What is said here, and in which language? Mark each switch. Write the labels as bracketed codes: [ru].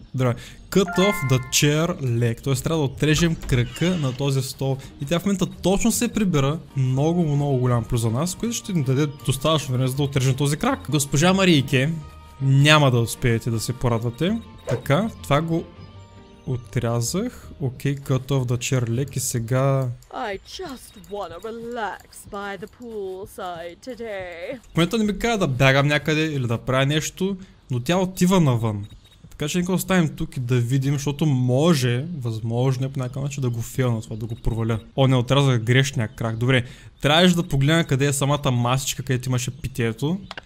[en] Здравей. Cut off the chair leg. Т.е. [bg] трябва да отрежем крака на този стол. И тя в момента точно се прибира. Много голям плюс за нас, което ще ни даде достатъчно време, за да отрежем този крак. Госпожа Марийке, няма да успеете да се порадвате. Така, това го отрязах. [en] Окей, okay, cut off the chair leg [bg] и сега... [en] I just wanna relax by the poolside today. [bg] В момента не ми кажа да бягам някъде или да правя нещо, но тя отива навън. Така че нека оставим тук и да видим, защото може, възможно е по някакъв начин да го фейлна това, да го проваля. О, не, отрязах грешния крак. Добре, трябваше да погледна къде е самата масичка, където имаше питието.